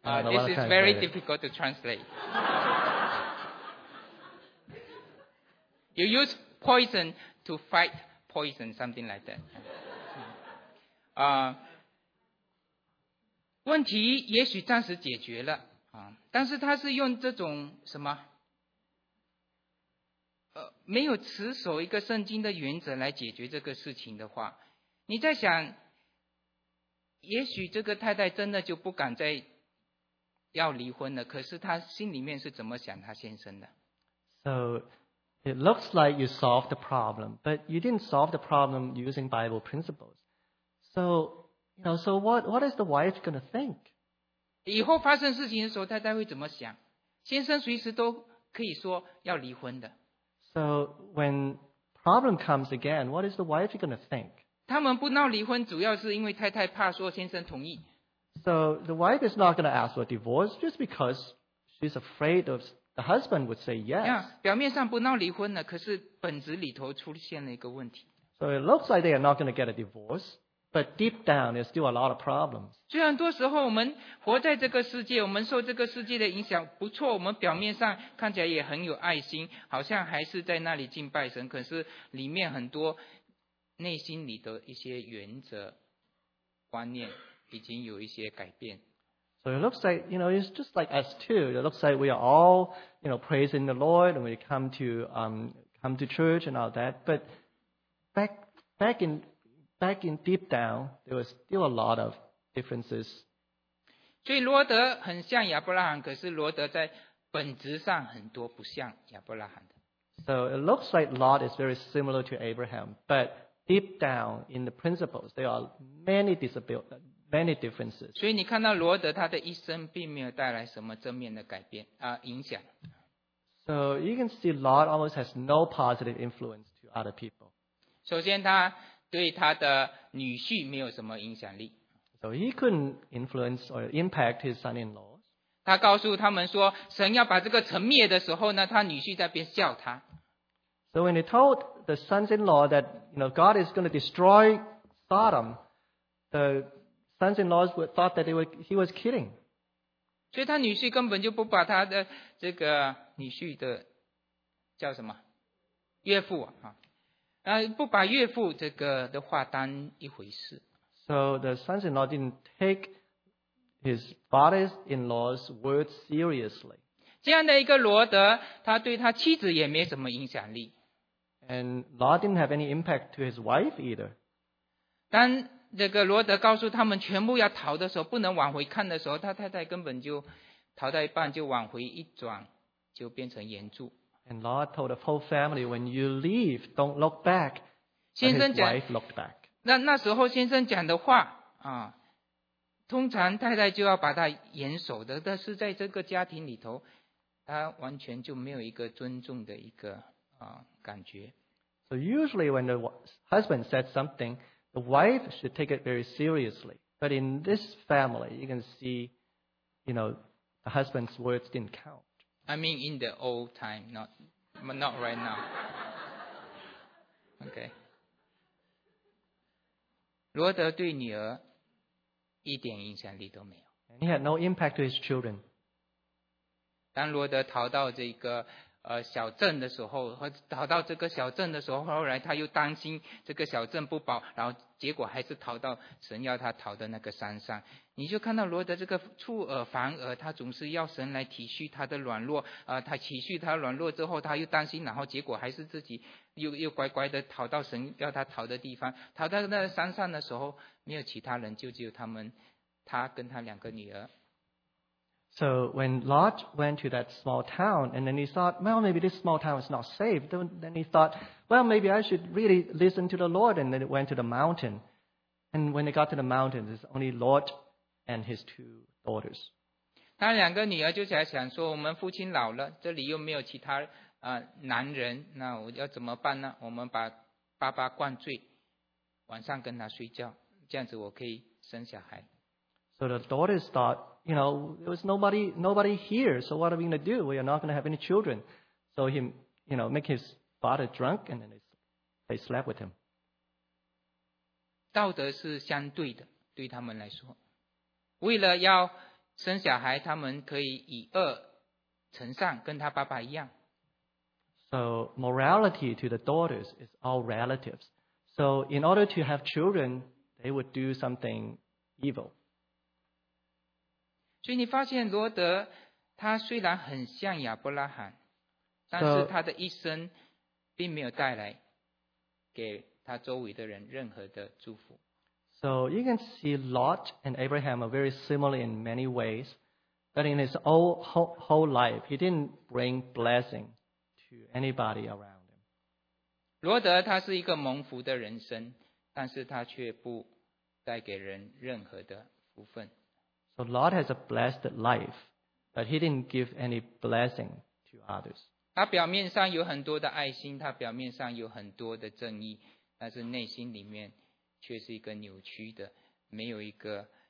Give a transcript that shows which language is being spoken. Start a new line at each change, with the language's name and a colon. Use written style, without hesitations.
English: this is very difficult to translate. You use poison to fight. Poison, something like that.
Chinese: 问题也许暂时解决了但是他是用这种什么没有持守一个圣经的原则来解决这个事情的话，你在想，也许这个太太真的就不敢再要离婚了，可是他心里面是怎么想他先生的？
English: So. It looks like you solved the problem, but you didn't solve the problem using Bible principles. So, you know, so what is the wife going to think?
Chinese: 以后发生事情的时候，太太会怎么想？先生随时都可以说要离婚的。
English: So when problem comes again, what is the wife going to think?
Chinese: 他们不闹离婚，主要是因为太太怕说先生同意。
English: So the wife is not going to ask for a divorce just because she's afraid of the husband would say yes.
Chinese: Yeah, 表面上不闹离婚了，可是本质里头出现了一个问题。
English: So it looks like they are not going to get a divorce. But deep down, there's still a lot of problems.
Chinese: 虽然多时候我们活在这个世界，我们受这个世界的影响不错，我们表面上看起来也很有爱心，好像还是在那里敬拜神，可是里面很多内心里的一些原则观念已经有一些改变。
English: So it looks like, you know, it's just like us too. It looks like we are all, you know, praising the Lord and we come to church and all that. But back in deep down, there was still a lot of differences.
Chinese: 所以罗德很像亚伯拉罕，可是罗德在本质上很多不像亚伯拉罕的。
English: So it looks like Lot is very similar to Abraham, but deep down in the principles, there are many differences.
Chinese: 所以你看到罗德他的一生并没有带来什么正面的改变啊、影响。
English: So you can see Lot almost has no positive influence to other people.
Chinese: 首先他对他的女婿没有什么影响力。
English: So he couldn't influence or impact his son-in-laws.
Chinese: 他告诉他们说，神要把这个城灭的时候呢，他女婿在边笑他。
English: So when he told the sons-in-law that, you know, God is going to destroy Sodom, the sons-in-laws thought that he was kidding.
Chinese: 所以他女婿根本就不把他的这个女婿的叫什么岳父啊。不把岳父这个的话当一回事。
English: So the sons-in-law didn't take his father-in-law's words seriously.
Chinese: 这样的一个罗德，他对他妻子也没什么影响力。
English: And Lot didn't have any impact to his wife either.
Chinese: 当这个罗德告诉他们全部要逃的时候，不能往回看的时候，他太太根本就逃到一半就往回一转，就变成岩柱。
English: And Lot told the whole family, "When you leave, don't look back." And his wife looked back.
Chinese: 那时候先生讲的话啊，通常太太就要把他严守的，但是在这个家庭里头，他完全就没有一个尊重的一个啊感觉。
English: So usually, when the husband said something, the wife should take it very seriously. But in this family, you can see, you know, the husband's words didn't count. I mean in the old time, not right now. Okay.
Chinese: 罗德对女儿一点影响力都没有。
English: He had no impact to his children.
Chinese: 当罗德逃到这个小镇的时候，逃到这个小镇的时候，后来他又担心这个小镇不保，然后结果还是逃到神要他逃的那个山上。你就看到罗德这个出尔反尔，他总是要神来体恤他的软弱，他体恤他软弱之后，他又担心，然后结果还是自己又乖乖的逃到神要他逃的地方。逃到那个山上的时候，没有其他人，就只有他们，他跟他两个女儿。
English: So when Lot went to that small town, and then he thought, well, maybe this small town is not safe. Then he thought, well, maybe I should really listen to the Lord. And then he went to the mountain. And when they got to the mountain, it's only Lot and his two daughters.
Chinese: 他两个女儿就在想说，我们父亲老了，这里又没有其他男人，那我要怎么办呢？我们把爸爸灌醉，晚上跟他睡觉，这样子我可以生小孩。
English: So the daughters thought, you know, there was nobody here, so what are we going to do? We are not going to have any children. So he, you know, make his father drunk and then they slept with him.
Chinese: 道德是相对的，对他们来说。为了要生小孩，他们可以以恶成善，跟他爸爸一样。
English: So morality to the daughters is all relatives. So in order to have children, they would do something evil.
Chinese: 所以你发现罗德他虽然很像亚伯拉罕，但是他的一生并没有带来给他周围的人任何的祝福。
English: So you can see Lot and Abraham are very similar in many ways, but in his whole life, he didn't bring blessing to anybody around him.
Chinese: 罗德他是一个蒙福的人生，但是他却不带给人任何的福分。
English: So Lot has a blessed life, but he didn't give any blessing to others.
Chinese: 他表面上有很多的爱心，他表面上有很多的正义，但是内心里面却是一个扭曲的，没有一个